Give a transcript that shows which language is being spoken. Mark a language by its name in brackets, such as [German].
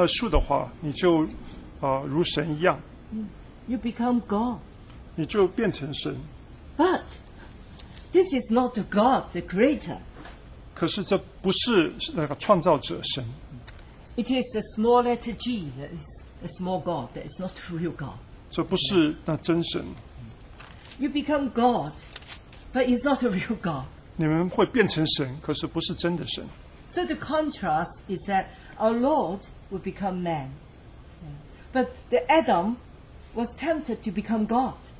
[Chinese] 所以撒旦的谎言就是，如果你吃那个知识善恶树的话，你就如神一样。 [English] You become God. [Chinese] 你就变成神。 [English] But this is not the God, the Creator. [Chinese] 可是这不是那个创造者神。 [English] It is a small letter G, that is a small God, that is not the real God. [Chinese] 这不是那真神。 [English] You become God, but it's not the real God. [Chinese] 你们会变成神, 可是不是真的神。 [English] So the contrast is that our Lord will become man. But the Adam was tempted to become God.